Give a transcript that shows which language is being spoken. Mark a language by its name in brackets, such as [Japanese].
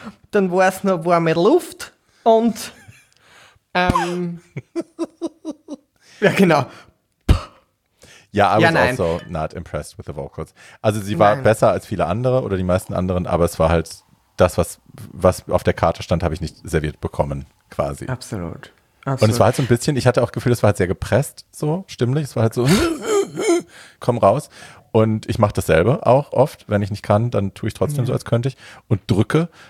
[German] Dann war es nur warme Luft und ja, genau. [English] Ja, I was also not impressed with the vocals. [German] Also sie war besser als viele andere oder die meisten anderen, aber es war halt das, was auf der Karte stand, habe ich nicht serviert bekommen, quasi. Absolut. Und es war halt so ein bisschen, ich hatte auch Gefühl, es war halt sehr gepresst, so stimmlich. Es war halt so, komm raus. Und ich mache dasselbe auch oft, wenn ich nicht kann, dann tue ich trotzdem so, als könnte ich und drücke.